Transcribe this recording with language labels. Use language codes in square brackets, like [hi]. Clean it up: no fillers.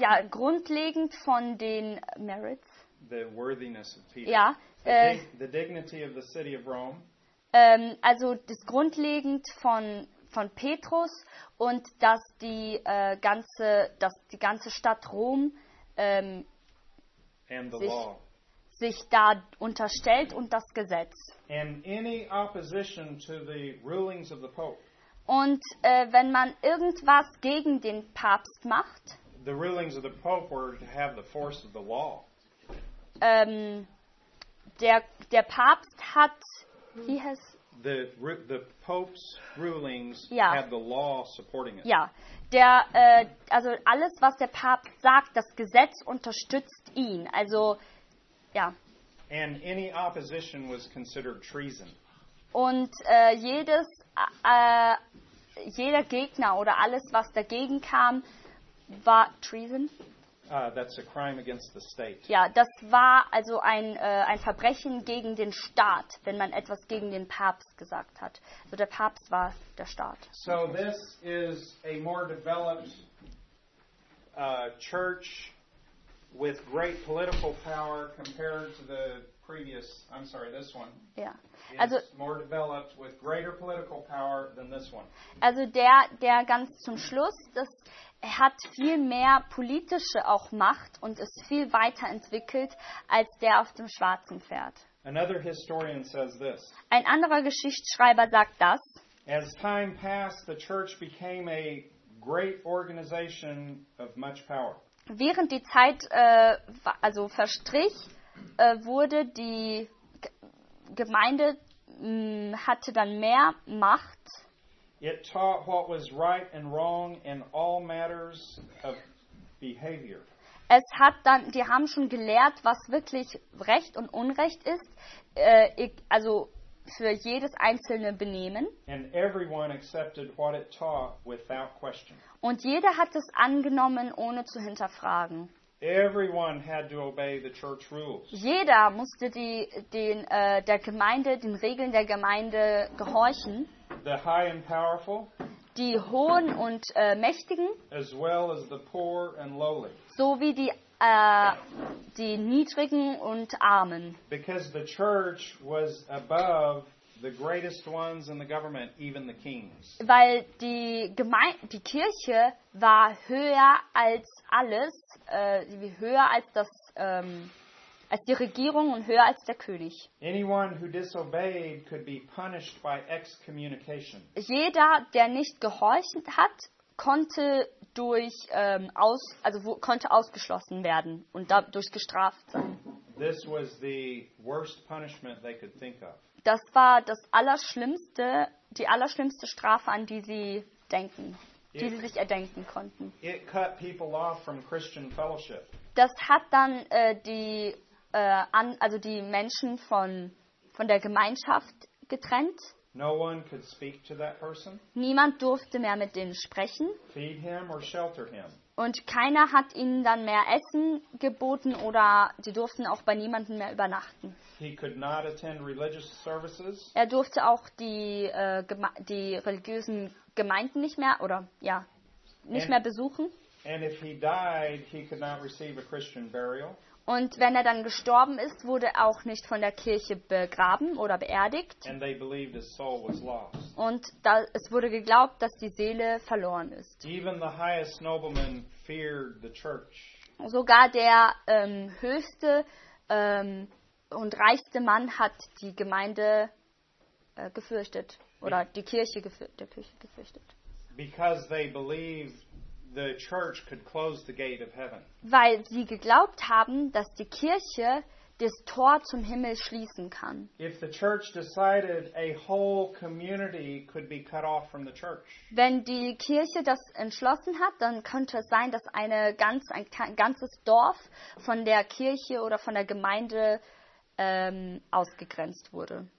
[de] grundlegend von den merits. [en] The worthiness of Peter. [de] Ja, [en] the dignity of the city of Rome. [de] Also das grundlegend von von Petrus und dass die ganze Stadt Rom sich da unterstellt und das Gesetz. [en] And any opposition to the rulings of the Pope. [de] Und wenn man irgendwas gegen den Papst macht, [en] the rulings of the Pope were to have the force of the law. [de] Der Papst hat, [en] he has, the Pope's rulings, yeah, have the law supporting it. [de] Ja, also alles, was der Papst sagt, das Gesetz unterstützt ihn. Also, ja. [en] And any opposition was considered treason. [de] Und jeder Gegner oder alles, was dagegen kam, war treason. [en] That's a crime against the state. [de] Ja, das war also ein Verbrechen gegen den Staat, wenn man etwas gegen den Papst gesagt hat. Also der Papst war der Staat. [en] So this is a more developed church with great political power compared to the previous, I'm sorry, this one. [de] Ja. [en] Also more developed with greater political power than this one. [de] Also der ganz zum Schluss, das hat viel mehr politische auch Macht und ist viel weiter entwickelt als der auf dem schwarzen Pferd. [en] Another historian says this. [de] Ein anderer Geschichtsschreiber sagt das. [en] As time passed, the church became a great organization of much power. [de] Während die Zeit also verstrich, wurde die Gemeinde hatte dann mehr Macht. [en] It taught what was right and wrong in all matters of behavior. [de] Es hat dann, die haben schon gelehrt, was wirklich Recht und Unrecht ist, also für jedes einzelne Benehmen. [en] And everyone accepted what it taught without question. [de] Und jeder hat es angenommen, ohne zu hinterfragen. [en] Everyone had to obey the church rules. [de] Jeder musste der Gemeinde, den Regeln der Gemeinde gehorchen. [en] The high and powerful, [de] die hohen und mächtigen, [en] as well as the poor and lowly, [de] so wie die niedrigen und armen. [en] Because the church was above the greatest ones in the government, even the kings. [de] Weil die Kirche war höher als alles, höher als das als die Regierung und höher als der König. [en] Anyone who disobeyed could be punished by excommunication. [de] Jeder, der nicht gehorcht hat, konnte konnte ausgeschlossen werden und dadurch gestraft sein. [en] This was the worst punishment they could think of. [de] Das war das Allerschlimmste, die allerschlimmste Strafe, an die sie denken, die sie sich erdenken konnten. [en] It cut people off from Christian fellowship. [de] Das hat dann die Menschen von der Gemeinschaft getrennt. [en] No one could speak to that person. [de] Niemand durfte mehr mit denen sprechen. [en] Feed him or shelter him. [de] Und keiner hat ihnen dann mehr Essen geboten oder sie durften auch bei niemandem mehr übernachten. [en] He could not attend religious services. [de] Er durfte auch die religiösen Gemeinden nicht mehr mehr besuchen. [en] And if he died, he could not receive a Christian burial. [de] Und wenn er dann gestorben ist, wurde er auch nicht von der Kirche begraben oder beerdigt. [en] And they believed his soul was lost. [de] Und da, es wurde geglaubt, dass die Seele verloren ist. [en] Even the highest nobleman feared the church. [de] Sogar der höchste und reichste Mann hat die Gemeinde gefürchtet. Oder die Kirche gefürchtet. [en] Because they believed the church could close the gate of heaven. [de] Weil sie geglaubt haben, dass die Kirche das Tor zum Himmel schließen kann. [en] If the church decided, a whole community could be cut off from the church. [de] Wenn die Kirche das entschlossen hat, dann könnte es sein, dass ein ganzes Dorf von der Kirche oder von der Gemeinde ausgegrenzt wurde.